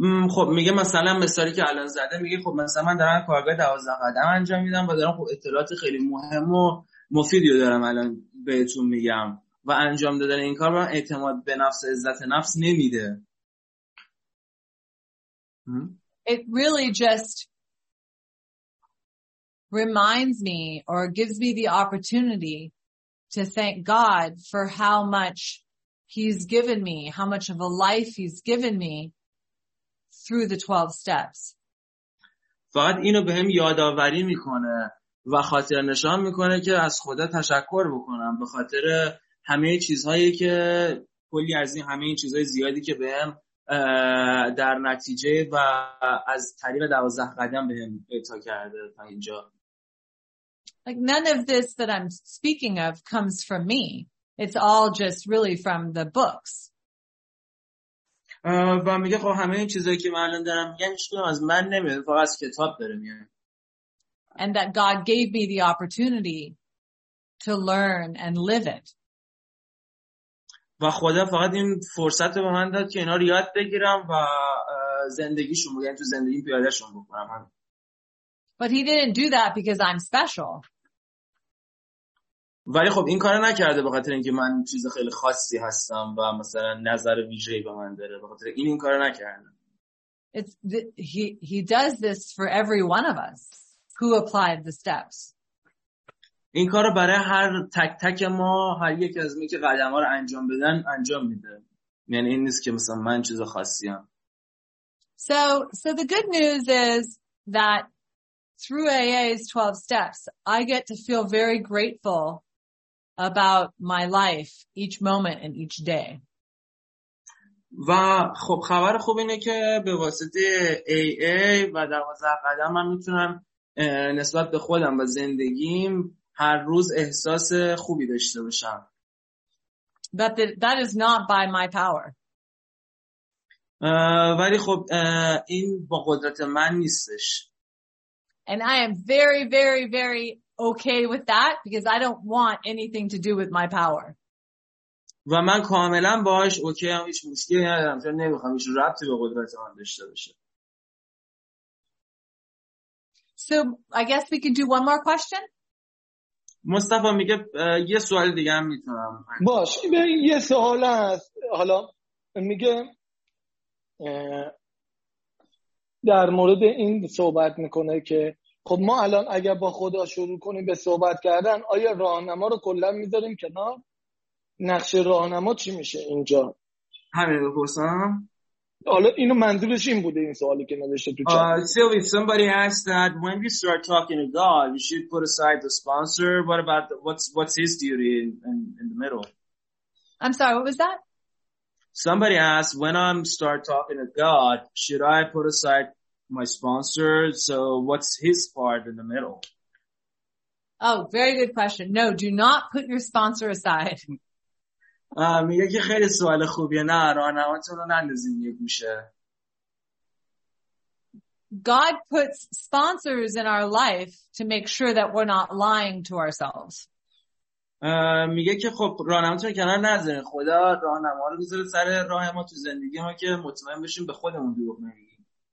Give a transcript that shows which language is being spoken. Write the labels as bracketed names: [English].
[Persian] خب میگه مثلا مثالی که الان زده، میگه خب مثلا من دارم کارگاه 12 قدم انجام میدم و دارم خب اطلاعات خیلی مهم و مفیدی دارم الان بهتون میگم و انجام دادن این کار من اعتماد به نفس عزت نفس نمیده. [English] It really just reminds me or gives me the opportunity to thank God for how much he's given me, how much of a life he's given me through the 12 steps. [Persian] فقط اینو بهم یاداوری میکنه و خاطر نشان میکنه که از خدا تشکر بکنم به خاطر همه چیزهایی که کلی از این همه این چیزهای زیادی که بهم در نتیجه و از طریق 12 قدم بهم اعطا کرده تا اینجا. [English] Like none of this that I'm speaking of comes from me. It's all just really from the books. [Persian] و میگه خب همه این چیزایی که من الان دارم میگم هیچکدوم از من نمیاد، فقط از کتاب داره میاد. [English] And that God gave me the opportunity to learn and live it. [Persian] و خدا فقط این فرصت رو به من داد که اینا رو یاد بگیرم و زندگیشون رو، یعنی تو زندگی پیادهشون بکنم. [English] But he didn't do that because I'm special. [Persian] ولی خب این کارو نکرده به خاطر اینکه من چیز خیلی خاصی هستم و مثلا نظر ویژه‌ای به من داره، به خاطر این کارو نکرده. [English] He does this for every one of us who applied the steps. [Persian] این کارو برای هر تک تک ما، هر یک از ما که قدم‌ها رو انجام بدن انجام میده. یعنی این نیست که مثلا من چیز خاصی ام. [English] So the good news is that through AA's 12 steps, I get to feel very grateful about my life each moment and each day. [Persian] و خب خبر خوب اینه که به واسطه AA و 12 قدم من میتونم نسبت به خودم و زندگیم هر روز احساس خوبی داشته باشم. [English] But that is not by my power. [Persian] ولی خب این با قدرت من نیستش. [English] And I am very, very, very okay with that because I don't want anything to do with my power. [Persian] و من کاملا باش اوکی ام، هیچ مشکلی ندارم، چون نمیخوام هیچ ربطی به قدرت من داشته باشه. [English] So I guess we can do one more question. [Persian] مصطفی میگه یه سوال دیگه هم میتونم. باش، یه سوال هست. حالا میگه در مورد این صحبت میکنه که خب ما الان اگر با خدا شروع کنیم به صحبت کردن، آیا راهنما رو کلا میذاریم کنار؟ نقش راهنما چی میشه اینجا؟ همین بپرسم. حالا اینو منظورش این بوده، این سوالی که نوشته تو چت. [English] So if somebody asks that when we start talking to God, we should put aside the sponsor. What about the, what's his duty in the middle? I'm sorry, what was that? Somebody asked, when I start talking to God, should I put aside my sponsor? So what's his part in the middle? Oh, very good question. No, do not put your sponsor aside. [Persian] میگه که خیلی سوال خوبیه. نه، راهنماتون رو نندازین یه گوشه. [English] God puts sponsors in our life to make sure that we're not lying to ourselves. [Persian] میگه که خب راهنماتون کنار نذارین، خدا راهنما رو بذاره سر راه ما تو زندگی ما که مطمئن بشیم به خودمون دروغ نمیگیم.